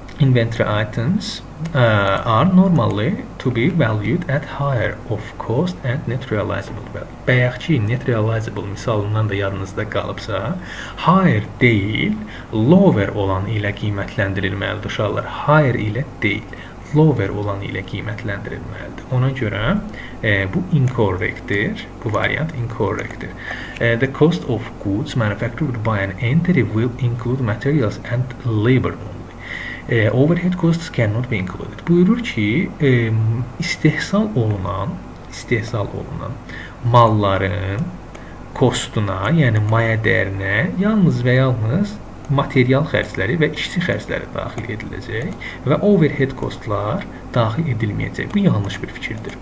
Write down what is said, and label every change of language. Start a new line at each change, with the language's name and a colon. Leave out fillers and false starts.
English: Inventory items are normally to be valued at higher of cost and net realizable value.
Azerbaijani: Bayaqçı net realizable misalından da yadınızda qalıbsa, higher deyil, lower olan ilə qiymətləndirilməlidir uşaqlar. Higher ilə deyil, lower olan ilə qiymətləndirilməlidir. Ona görə bu incorrectdir, bu variant incorrectdir.
English: The cost of goods manufactured by an entity will include materials and labor. Overhead costs cannot be included.
Azerbaijani: Buyurur ki, istehsal olunan malların kostuna, yəni maya dəyərinə yalnız və yalnız material xərcləri və işçi xərcləri daxil ediləcək və overhead costlar daxil edilməyəcək. Bu yanlış bir fikirdir.